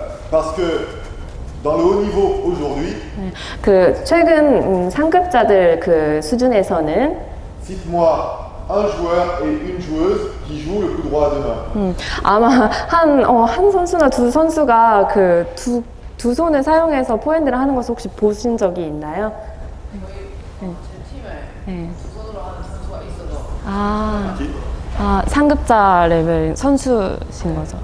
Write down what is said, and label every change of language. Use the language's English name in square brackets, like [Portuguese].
[French] Parce que dans le haut niveau aujourd'hui. [Korean] 그 최근 상급자들 그 수준에서는 [French] Cite-moi un joueur et une joueuse qui joue le coup droit à deux mains. [Korean] 아마 한 선수나 두 선수가 그 두 손을 사용해서 포핸드를 하는 것을 혹시 보신 적이 있나요? 저희 팀에 두 손으로 하는 선수가 있어서. 아, 상급자 레벨 선수신 거죠.